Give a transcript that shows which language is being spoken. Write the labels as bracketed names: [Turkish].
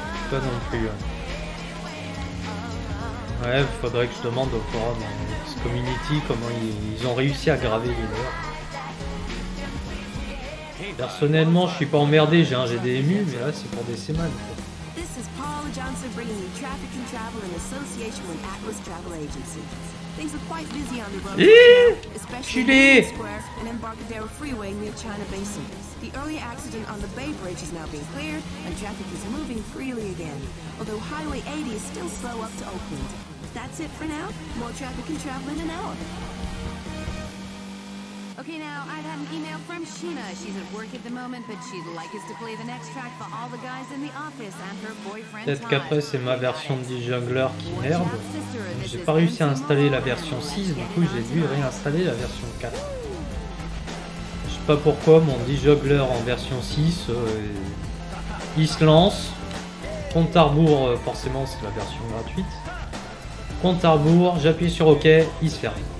[French] Pas non plus. Ouais, faudrait que je demande au forum, hein, ce community, comment ils ont réussi à graver les heures. Personnellement, je suis pas emmerdé, j'ai un GDMU, mais là c'est pour des semaines. [English] This is Paula Johnson bringing you traffic and travel in association with Atlas Travel Agency. Things are quite busy on the road, especially in the square and Embarcadero Freeway near China Basin. The early accident on the Bay Bridge is now being cleared and traffic is moving freely again, although Highway 80 is still slow up to Oakland. That's it for now. More traffic and travel in an hour. Okay, now, I've had an email from Sheena. She's at work at the moment, but she'd like us to play the next track for all the guys in the office and her boyfriend. [French] Peut-être qu'après, c'est ma version de Jungler qui merde. J'ai pas réussi à installer la version 6, du coup, j'ai dû réinstaller la version 4. Je sais pas pourquoi mon Jungler en version 6, il se lance. Compte à rebours, forcément, c'est la version gratuite. Compte à rebours, j'appuie sur OK, il se ferme.